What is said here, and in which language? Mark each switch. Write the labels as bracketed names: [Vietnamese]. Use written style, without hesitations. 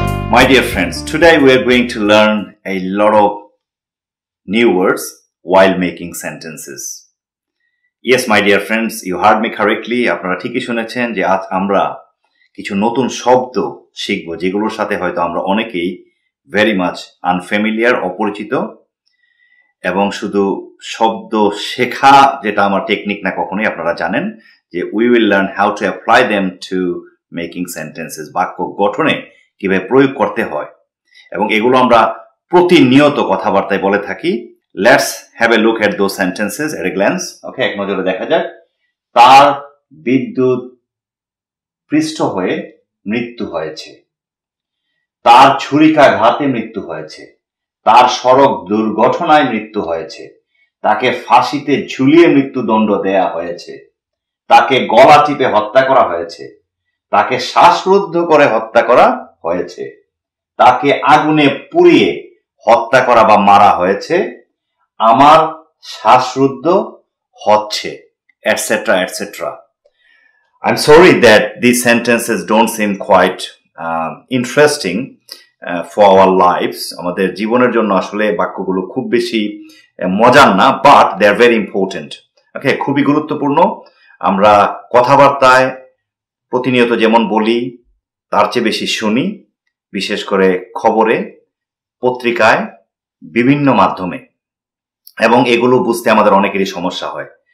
[English] My dear friends, today we are going to learn a lot of new words while making sentences. Yes, my dear friends, you heard me correctly. [Bangla] আপনারা ঠিকই শুনেছেন যে আজ আমরা কিছু নতুন শব্দ শিখব যেগুলোর সাথে হয়তো আমরা অনেকেই [English] very much unfamiliar, [Bangla] অপরিচিত, এবং শুধু শব্দ শেখা যেটা আমার টেকনিক না কখনোই আপনারা জানেন যে [English] we will learn how to apply them to making sentences, [Bangla] বাক্য গঠনে কিভাবে প্রয়োগ করতে হয়, এবং এগুলো আমরা প্রতিনিয়ত কথাবার্তায় বলে থাকি। [English] Let's have a look at those sentences at a glance. Okay, [Bangla] এক নজরে দেখা যাক। তার বিদ্যুৎ পৃষ্ঠ হয়ে মৃত্যু হয়েছে, তার ছুরিকাঘাতে মৃত্যু হয়েছে, তার সড়ক দুর্ঘটনায় মৃত্যু হয়েছে, তাকে ফাঁসিতে ঝুলিয়ে মৃত্যুদণ্ড দেয়া হয়েছে, তাকে গলা টিপে হত্যা করা হয়েছে, তাকে শ্বাসরুদ্ধ করে হত্যা করা হয়েছে, তাকে আগুনে পুড়িয়ে হত্যা করা বা মারা হয়েছে, আমার শ্বাসরুদ্ধ হচ্ছে, etcetera etcetera. [English] I'm sorry that these sentences don't seem quite interesting for our lives. [Bangla] আমাদের জীবনের জন্য আসলে বাক্যগুলো খুব বেশি মজার না, [English] but they are very important. [Bangla] Okay, খুবই গুরুত্বপূর্ণ। আমরা কথাবার্তায় প্রতিনিয়ত যেমন বলি তার চেয়ে বেশি শুনি, বিশেষ করে খবরে, পত্রিকায়, বিভিন্ন মাধ্যমে, এবং এগুলো বুঝতে আমাদের অনেকেরই সমস্যা হয়।